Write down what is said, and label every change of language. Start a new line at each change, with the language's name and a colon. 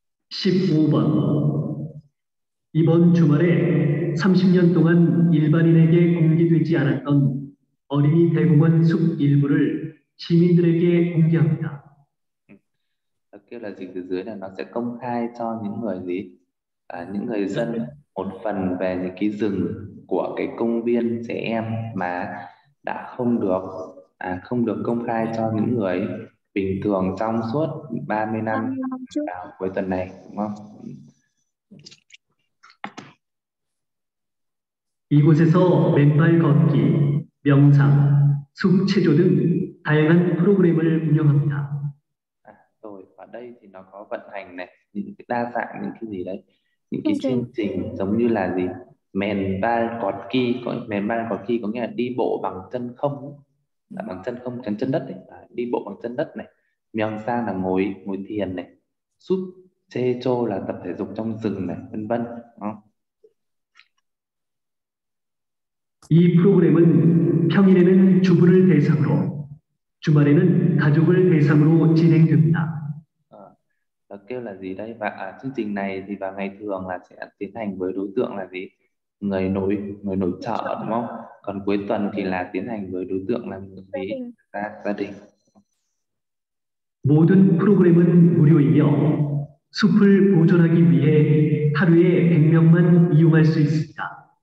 Korean: 15번. 이번 주말에 30년 동안 일반인에게 공개되지 않았던 어린이 대공원 숲 일부를 시민들에게 공개합니다. 그게
Vietnamese: là gì? Từ dưới là nó sẽ công khai cho những người gì? À, những người dân một phần về những cái rừng của cái công viên trẻ em mà đã không được công khai cho những người bình thường trong suốt 30 năm vào cuối tuần này, đúng không?
Korean: 이곳에서 맨발 걷기, 명상, 숲 체조 등 다양한 프로그램을 운영합니다.
Vietnamese: 아, rồi ở đây thì nó có vận hành này, những cái đa dạng những cái gì đấy, những cái chương trình giống như là gì, mền bay cọt kỳ có nghĩa là đi bộ bằng chân không, là bằng chân không, chân đất này, à, đi bộ bằng chân đất này, miang sang là ngồi thiền này, sup che cho là tập thể dục trong rừng này, vân vân.
Korean: 이 프로그램은 평일에는 주부를 대상으로, 주말에는 가족을 대상으로 진행됩니다.
Vietnamese: Nó kêu là gì đây? Và à, chương trình này thì vào ngày thường là sẽ tiến hành với đối tượng là gì? Người nội trợ, đúng không? Còn cuối tuần thì là tiến hành với đối tượng là người gì? Gia đình.
Korean: 모든 프로그램은 무료이며 숲을 보존하기 위해 하루에 100명만 이용할 수 있습니다.